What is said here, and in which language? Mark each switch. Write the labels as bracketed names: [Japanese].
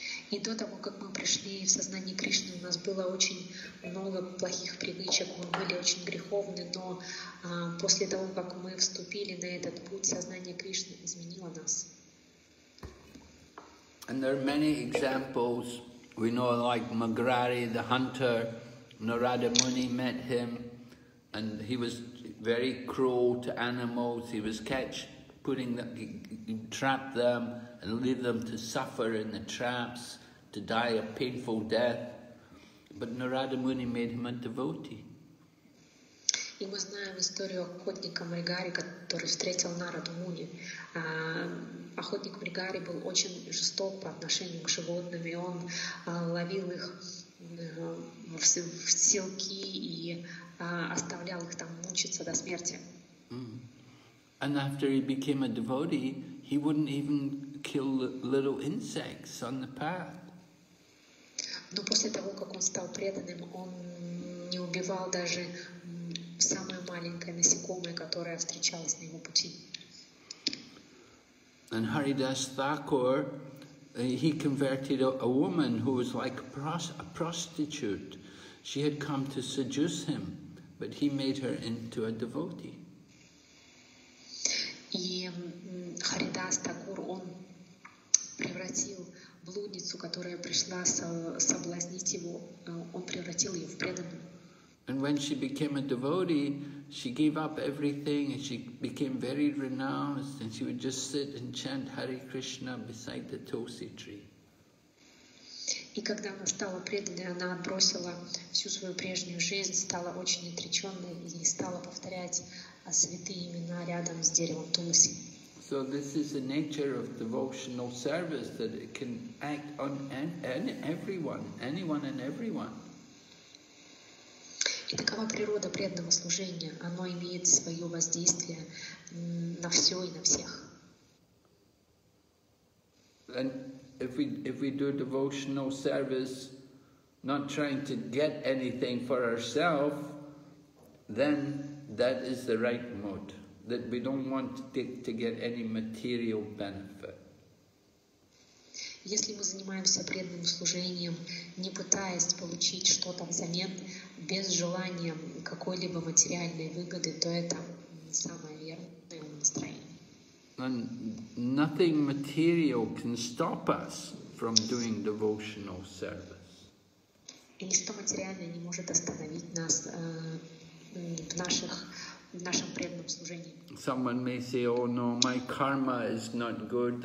[Russian] И до того, как мы пришли в сознание Кришны, у нас было очень много плохих привычек, мы были очень греховны, но после того, как мы вступили на этот путь, сознание Кришны изменило нас. [English] And there are many examples. We know, like Magrari, the hunter. Narada Muni met him, and he was very cruel to animals. He was trapped them and leave them to suffer in the traps, to die a painful death. But Narada Muni made him a devotee. [Russian] И мы знаем историю охотника Мригари, который встретил Нараду Муни. Охотник Мригари был очень жесток по отношению к животным, и он ловил их в силки и оставлял их там мучиться до смерти. [English] And after he became a devotee, he wouldn't even kill little insects on the path. [Russian] Но после того, как он стал преданным, он не убивал даже самое маленькое насекомое, которое встречалось на его пути. [English] And Haridas Thakur, he converted a woman who was like a prostitute. She had come to seduce him, but he made her into a devotee. [Russian] И Харидас Такур, он превратил блудницу, которая пришла соблазнить его, он превратил ее в преданную. [English] And when she became a devotee, she gave up everything and she became very renounced, and she would just sit and chant Hare Krishna beside the Tulsi tree. [Russian] И когда она стала преданной, она бросила всю свою прежнюю жизнь, стала очень отреченной и стала повторять святые имена рядом с деревом Тулси. [English] So this is the nature of devotional service, that it can act on anyone and everyone. [Russian] И такова природа преданного служения. Оно имеет свое воздействие на все и на всех. [English] And if we do devotional service, not trying to get anything for ourselves, then that is the right mode. That we don't want to get any material benefit. [Russian] Если мы занимаемся преданным служением, не пытаясь получить что-то взамен, без желания какой-либо материальной выгоды, то это самое верное настроение. [English] And nothing material can stop us from doing devotional service. [Russian] И ничто материальное не может остановить нас в нашем преданном служении. [English] Someone may say, "Oh no, my karma is not good.